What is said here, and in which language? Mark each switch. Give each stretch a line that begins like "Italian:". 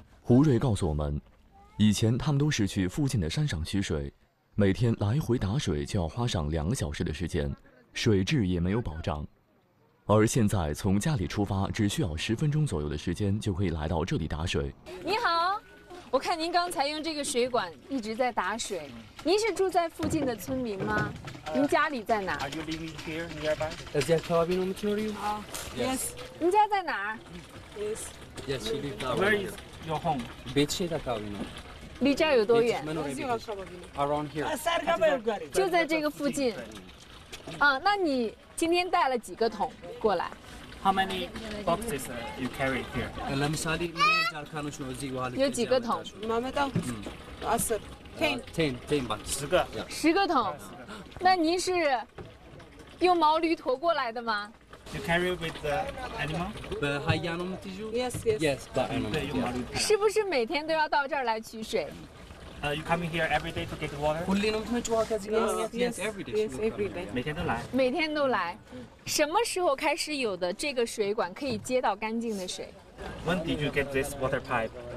Chinese: 胡瑞告诉我们，以前他们都是去附近的山上取水，每天来回打水就要花上2个小时的时间，水质也没有保障。而现在从家里出发只需要10分钟左右的时间就可以来到这里打水。你好，我看您刚才用这个水管一直在打水，您是住在附近的村民吗？您家里在哪？
English: Are you living here nearby? Is that cabin room near you? Yes.
Chinese: 您家在哪儿？
English: Yes. Yes, she lives there. Where is your home? Beach is a cabin room.
Chinese: 离这儿有多远？
English: Around here. Sargabay.
Chinese: 就在这个附近。啊，那你今天带了几个桶过来？
English: How many boxes you carry here? Let me tell you.
Chinese: 有几个桶？妈妈到。10。 10吧， 10个。Yeah. 10个桶。那您是用毛驴驮过来的吗？
English: You carry with the animal? The Hayanum Tiju? Yes, yes. Yes, but I'm not.
Chinese: 是不是每天都要到这儿来取水？
English: You coming here every day to get water? Yes, yes, every day. Yes, every day.
Chinese: 每天都来。什么时候开始有的这个水管可以接到干净的水？
English: When did you get this water pipe?